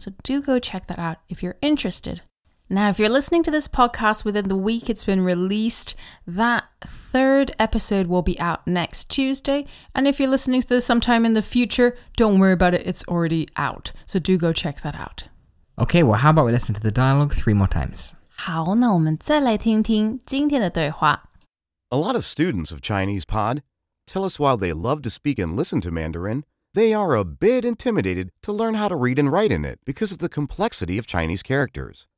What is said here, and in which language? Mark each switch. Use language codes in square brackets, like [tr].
[en] So do go check that out if you're interested. Now, if you're listening to this podcast within the week it's been released, that 3rd episode will be out next Tuesday. And if you're listening to this sometime in the future, don't worry about it, it's already out. So do go check that out. Okay, well, how about we listen to the dialogue 3 more times? [zh] 好,那我们再来听听今天的对话。 [en] A lot of students of Chinese Pod tell us while they love to speak and listen to Mandarin, they are a bit intimidated to learn how to read and write in it because of the complexity of Chinese characters.